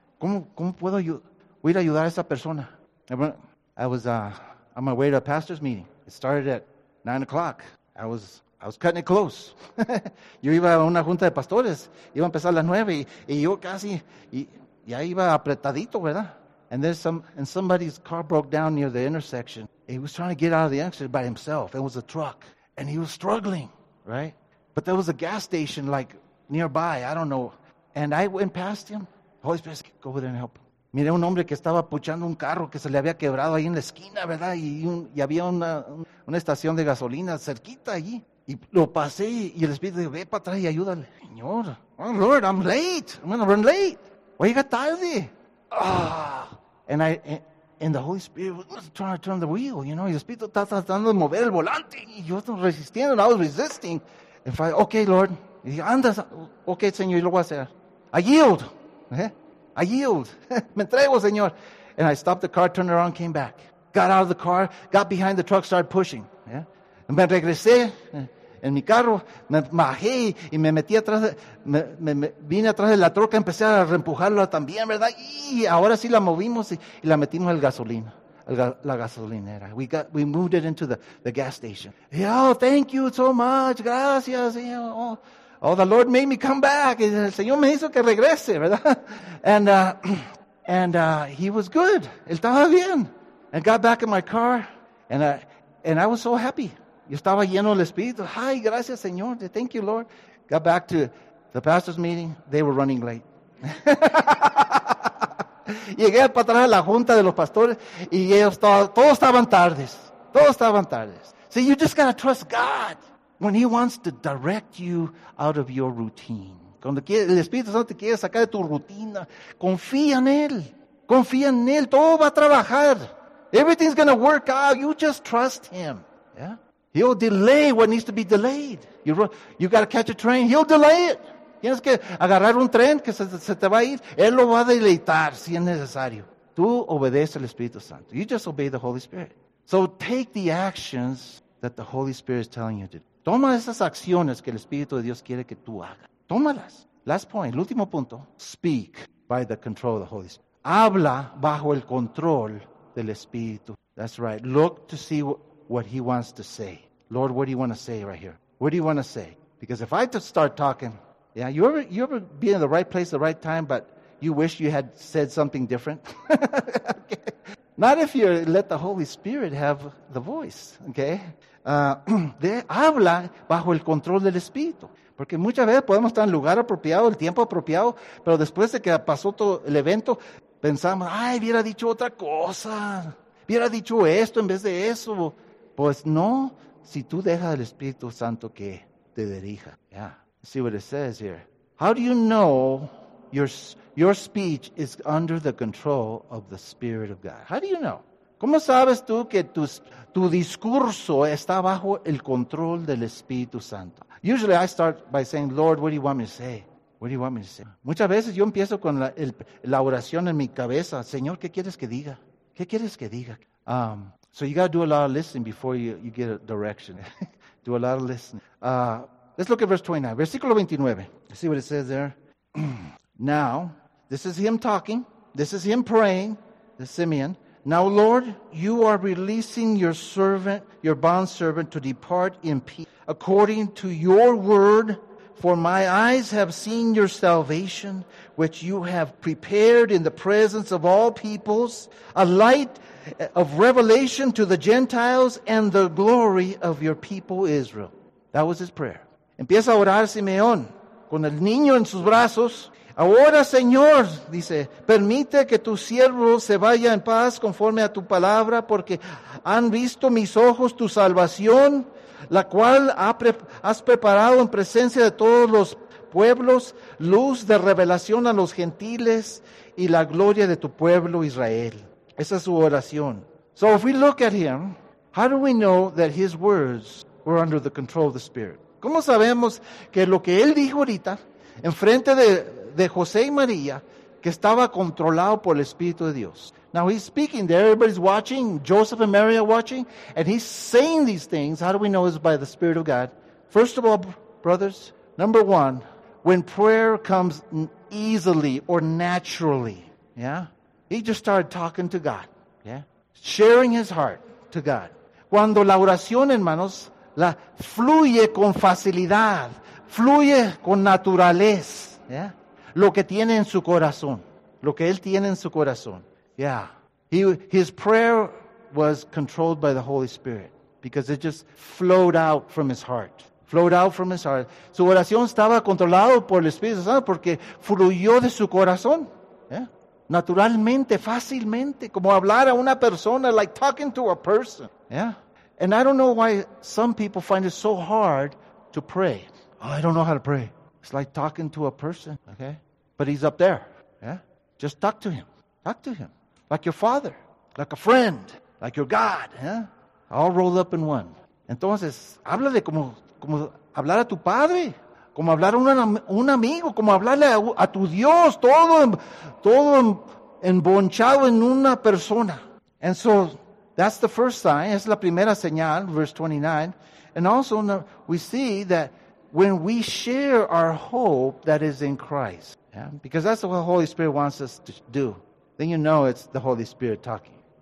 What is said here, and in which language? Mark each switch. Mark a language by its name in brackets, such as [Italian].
[Spanish] ¿Cómo puedo ir a ayudar a esa persona? [English] I was on my way to a pastor's meeting. It started at 9 o'clock. I was cutting it close. [Spanish] Yo iba a una junta de pastores. Iba a empezar a las 9 y yo casi, y ya iba apretadito, ¿verdad? [English] And there's some, and somebody's car broke down near the intersection. He was trying to get out of the intersection by himself. It was a truck. And he was struggling, right? But there was a gas station, like, nearby. I don't know. And I went past him. Holy Spirit, go over there and help. [Spanish] Miré un hombre que estaba puchando un carro que se le había quebrado ahí en la esquina, ¿verdad? Y había una estación de gasolina cerquita allí. Y lo pasé y el Espíritu dijo, ve para atrás y ayúdale. [English] Señor, oh, Lord, I'm late. I'm going to run late. [Spanish] Voy a llegar tarde. [English] And the Holy Spirit was trying to turn the wheel, you know. [Spanish] Y el Espíritu está tratando de mover el volante. Y yo estoy resistiendo. [English] I was resisting. And finally, okay, Lord. [Spanish] Y dije, anda. Okay, Señor, lo voy a hacer. [English] I yield. I yield. [Spanish] Me entrego, Señor. [English] And I stopped the car, turned around, came back. Got out of the car, got behind the truck, started pushing. [Spanish] Me regresé en mi carro, me bajé y me metí atrás, vine atrás de la troca, empecé a reempujarla también, ¿verdad? Y ahora sí la movimos y la metimos al gasolina, la gasolinera. [English] We moved it into the gas station. Oh, thank you so much, gracias. Oh, the Lord made me come back. [Spanish] El Señor me hizo que regrese, ¿verdad? [English] And he was good. [Spanish] Él estaba bien. [English] And got back in my car, and I was so happy. [Spanish] Yo estaba lleno del Espíritu. Ay, gracias, Señor. [English] Thank you, Lord. Got back to the pastor's meeting. They were running late. [Spanish] Llegué para atrás a la junta de los pastores y ellos todos estaban tardes. Todos estaban tardes. [English] See, you just got to trust God when he wants to direct you out of your routine. [Spanish] Cuando quiere, el Espíritu Santo te quiere sacar de tu rutina, confía en Él. Confía en Él. Todo va a trabajar. [English] Everything's going to work out. You just trust Him. Yeah. He'll delay what needs to be delayed. You got to catch a train. He'll delay it. [Spanish] Tienes que agarrar un tren que se te va a ir. Él lo va a deleitar si es necesario. Tú obedece al Espíritu Santo. [English] You just obey the Holy Spirit. So take the actions that the Holy Spirit is telling you to do. [Spanish] Toma esas acciones que el Espíritu de Dios quiere que tú hagas. Tómalas. [English] Last point, [Spanish] el último punto. [English] Speak by the control of the Holy Spirit. [Spanish] Habla bajo el control del Espíritu. [English] That's right. Look to see what he wants to say. Lord, what do you want to say right here? What do you want to say? Because if I just start talking, yeah, you ever be in the right place at the right time, but you wish you had said something different? Okay. Not if you let the Holy Spirit have the voice, okay? [Spanish] habla bajo el control del Espíritu. Porque muchas veces podemos estar en lugar apropiado, el tiempo apropiado, pero después de que pasó todo el evento, pensamos, ay, hubiera dicho otra cosa. Hubiera dicho esto en vez de eso. Pues no, si tú dejas al Espíritu Santo que te dirija. [English] Yeah. See what it says here. How do you know your speech is under the control of the Spirit of God? How do you know? [Spanish] ¿Cómo sabes tú que tu discurso está bajo el control del Espíritu Santo? [English] Usually I start by saying, Lord, what do you want me to say? What do you want me to say? [Spanish] Muchas veces yo empiezo con la oración en mi cabeza. Señor, ¿qué quieres que diga? ¿Qué quieres que diga? [English] So you got to do a lot of listening before you get a direction. Do a lot of listening. Let's look at verse 29. [Spanish] Versículo 29. [English] See what it says there? Now, this is him talking. This is him praying. This is Simeon. Now, Lord, you are releasing your servant, your bond servant, to depart in peace. According to your word, for my eyes have seen your salvation, which you have prepared in the presence of all peoples, a light of revelation to the Gentiles and the glory of your people Israel. That was his prayer. [Spanish] Empieza a orar Simeón con el niño en sus brazos. Ahora, Señor, dice, permite que tu siervo se vaya en paz conforme a tu palabra, porque han visto mis ojos tu salvación, la cual has preparado en presencia de todos los pueblos, luz de revelación a los gentiles y la gloria de tu pueblo Israel. Esa es su oración. [English] So if we look at him, how do we know that his words were under the control of the Spirit? [Spanish] ¿Cómo sabemos que lo que él dijo ahorita, en frente de José y María, que estaba controlado por el Espíritu de Dios? [English] Now he's speaking there, everybody's watching, Joseph and Mary are watching, and he's saying these things. How do we know it's by the Spirit of God? First of all, brothers, number one, when prayer comes easily or naturally, yeah, he just started talking to God, yeah, sharing his heart to God. [Spanish] Cuando la oración, hermanos, la fluye con facilidad, fluye con naturalez, [English] yeah, [Spanish] lo que tiene en su corazón. lo que él tiene en su corazón. Yeah. [English] His prayer was controlled by the Holy Spirit because it just flowed out from his heart. Flowed out from his heart. [Spanish] Su oración estaba controlado por el Espíritu Santo porque fluyó de su corazón. Yeah. Naturalmente, fácilmente, como hablar a una persona, [English] like talking to a person. [Spanish] Yeah. [English] And I don't know why some people find it so hard to pray. Oh, I don't know how to pray. It's like talking to a person, okay? But he's up there, yeah? Just talk to him. Talk to him. Like your father, like a friend, like your God, yeah? All rolled up in one. [Spanish] Entonces, háblale como hablar a tu padre, como hablar a un amigo, como hablarle a tu Dios, todo embonchado en una persona. [English] And so, that's the first sign. [Spanish] Es la primera señal, [English] verse 29. And also, we see that when we share our hope that is in Christ, yeah? Because that's what the Holy Spirit wants us to do, then you know it's the Holy Spirit talking.